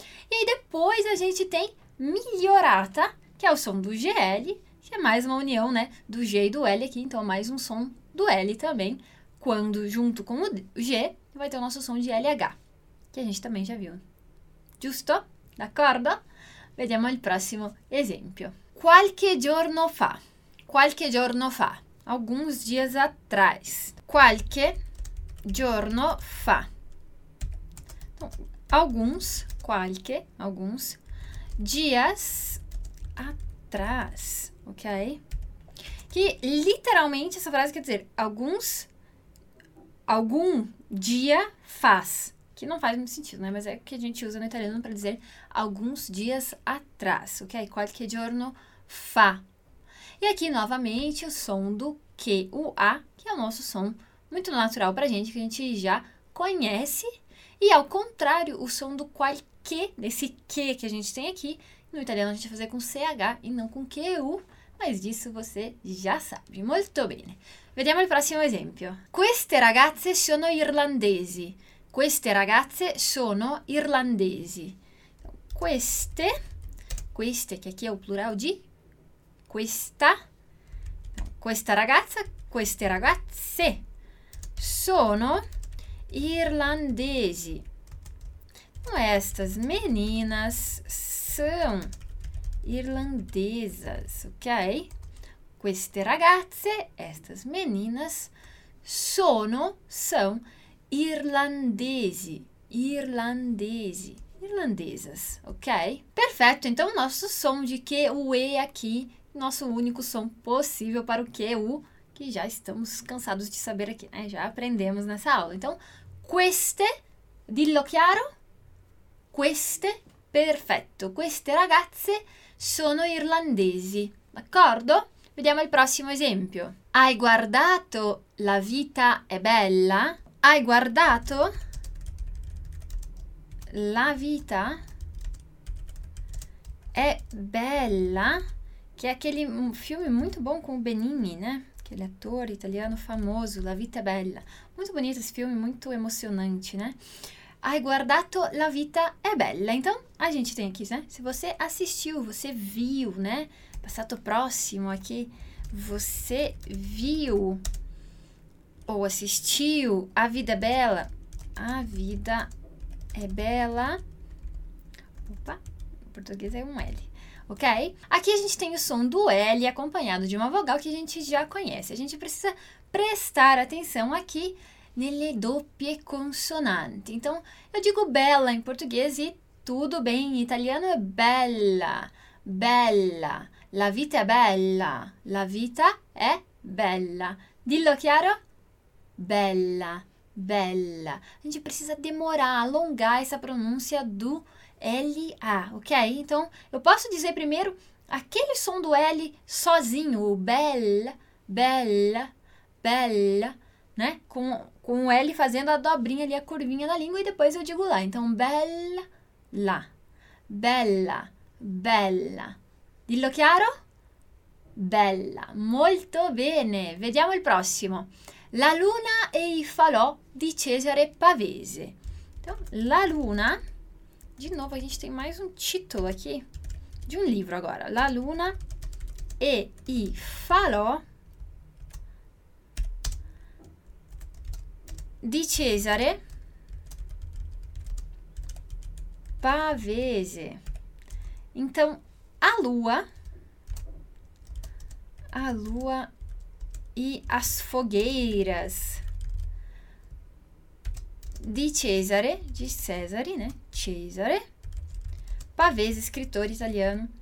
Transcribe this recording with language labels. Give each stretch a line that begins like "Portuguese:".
Portuguese: E aí, depois a gente tem migliorata, que é o som do GL, que é mais uma união, né, do G e do L aqui. Então, mais um som do L também, quando junto com o G, vai ter o nosso som de LH, que a gente também já viu.
Italian: Giusto? D'accordo? Vediamo il prossimo esempio. Qualche giorno fa. Qualche giorno fa.
Portuguese: Alguns dias atrás.
Italian: Qualche giorno fa.
Portuguese: Então, alguns, qualche, alguns dias atrás, ok? Que literalmente essa frase quer dizer alguns, algum dia faz. Que não faz muito sentido, né? Mas é o que a gente usa no italiano para dizer alguns dias atrás, ok?
Italian: Qualche giorno fa.
Portuguese: E aqui, novamente, o som do que, o a, que é o nosso som muito natural para a gente, que a gente já conhece. E, ao contrário, o som do qualche, desse que a gente tem aqui, no italiano a gente vai fazer com ch e não com qu, mas disso você já sabe.
Italian: Molto bene. Vediamo il prossimo esempio. Queste ragazze sono irlandesi. Queste ragazze sono irlandesi. Queste, che qui è il plurale di questa. Questa ragazza, queste ragazze sono irlandesi.
Portuguese: Estas meninas são irlandesas, ok?
Italian: Queste ragazze,
Portuguese: estas meninas são
Italian: irlandesi, irlandesi,
Portuguese: irlandesas, ok? Perfeito, então o nosso som de que o e aqui, nosso único som possível para o que o, que já estamos cansados de saber aqui, né? Já aprendemos nessa aula.
Italian: Então, queste, dillo chiaro, queste, perfetto, queste ragazze sono irlandesi, d'accordo? Vediamo il prossimo esempio. Hai guardato La vita è bella? Hai guardato La vita è bella, che è
Portuguese: aquele filme
Italian: molto buono con Benigni, né?
Portuguese: Aquele
Italian: attore italiano famoso,
Portuguese: La vita è bella. Molto bonito esse filme,
Italian: molto emozionante,
Portuguese: né?
Italian: Hai guardato La vita è bella.
Portuguese: Então, a gente tem aqui, né? Se você assistiu, você viu, né? Passato prossimo aqui, você viu ou assistiu A Vida Bela? A Vida é Bela. Opa, em português é um L, ok? Aqui a gente tem o som do L acompanhado de uma vogal que a gente já conhece. A gente precisa prestar atenção aqui
Italian: nelle doppie consonanti.
Portuguese: Então, eu digo bella em português e tudo bem, em italiano é bella, bella.
Italian: La vita è bella, la vita è bella. Dillo chiaro?
Portuguese: Bella, bella. A gente precisa demorar, alongar essa pronúncia do LA, ok? Então, eu posso dizer primeiro aquele som do L sozinho, o bel, bella, bella, né? Com o L fazendo a dobrinha ali, a curvinha da língua, e depois eu digo lá. Então, bella, la. Bella, bella.
Italian: Dillo chiaro? Bella, molto bene. Vediamo il prossimo. La luna e i falò di Cesare Pavese.
Portuguese: Então, la luna. Di nuovo, a gente tem mais um título aqui.
Italian: Di un libro agora. La luna e i falò di Cesare Pavese.
Portuguese: Então, a lua e as fogueiras di Cesare, né? Cesare Pavese, escritor italiano.